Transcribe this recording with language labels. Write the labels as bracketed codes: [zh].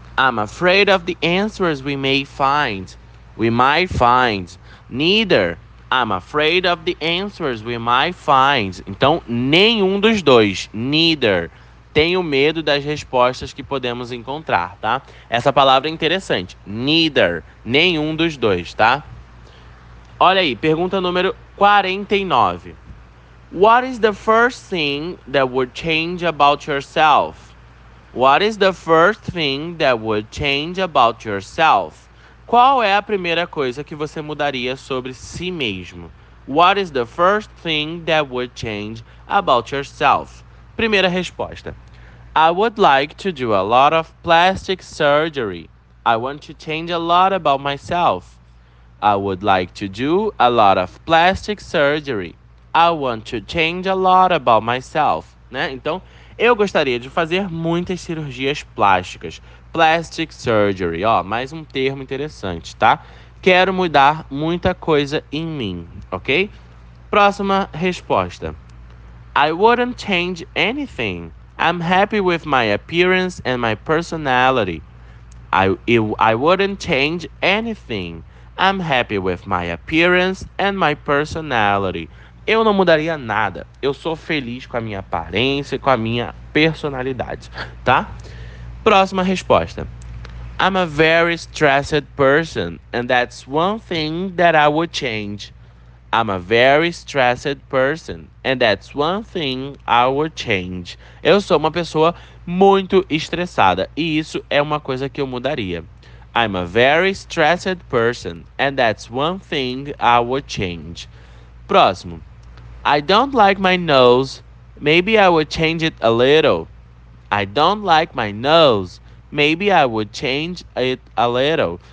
[en] I'm afraid of the answers we may find. We might find. Neither. I'm afraid of the answers we might find. [pt] Então, nenhum dos dois. Neither. Tenho medo das respostas que podemos encontrar, tá? Essa palavra é interessante. Neither. Nenhum dos dois, tá? Olha aí, pergunta número 49. [en] What is the first thing that would change about yourself? What is the first thing that would change about yourself? [pt] Qual é a primeira coisa que você mudaria sobre si mesmo? [en] What is the first thing that would change about yourself? [pt] Primeira resposta. [en] I would like to do a lot of plastic surgery. I want to change a lot about myself. I would like to do a lot of plastic surgery. I want to change a lot about myself. [pt] Né? Então, eu gostaria de fazer muitas cirurgias plásticas. Plastic surgery, ó, mais um termo interessante, tá? Quero mudar muita coisa em mim, ok? Próxima resposta. [en] I wouldn't change anything. I'm happy with my appearance and my personality. I wouldn't change anything. I'm happy with my appearance and my personality. [pt] Eu não mudaria nada. Eu sou feliz com a minha aparência e com a minha personalidade, tá? Próxima resposta. [en] I'm a very stressed person, and that's one thing that I would change. I'm a very stressed person, and that's one thing I would change. [pt] Eu sou uma pessoa muito estressada, e isso é uma coisa que eu mudaria. [en] I'm a very stressed person, and that's one thing I would change. [pt] Próximo. [en] I don't like my nose. Maybe I would change it a little. I don't like my nose. Maybe I would change it a little.